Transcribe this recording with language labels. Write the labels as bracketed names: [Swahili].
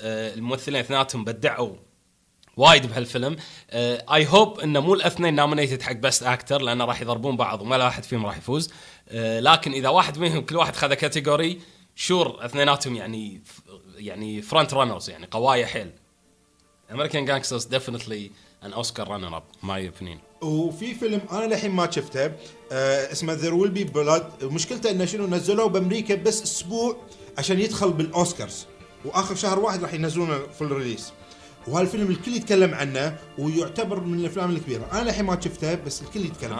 [Arabic] الممثلين اثنانهم بدعوا وايد بهالفيلم. [English] I hope [Arabic] إنه مو الاثنين nominated حق [English] best actor [Arabic] لأنه راح يضربون بعض وما لا واحد فيهم راح يفوز. لكن إذا واحد منهم كل واحد خذ كاتيجوري شور اثنانهم يعني [English] front runners [Arabic] يعني قوايا حيل. [English] American Gangsters definitely an Oscar runner-up, my opinion. [Arabic] وفي فيلم أنا لحين ما شفته اسمه There Will Be Blood. مشكلته إنه شنو نزلوه بأمريكا بس أسبوع عشان يدخل بالأوسكارز وآخر شهر واحد راح ينزلونه في الريليس. وهالفيلم الكل يتكلم عنه ويعتبر من الأفلام الكبيرة. أنا لحين ما شفته بس الكل يتكلم.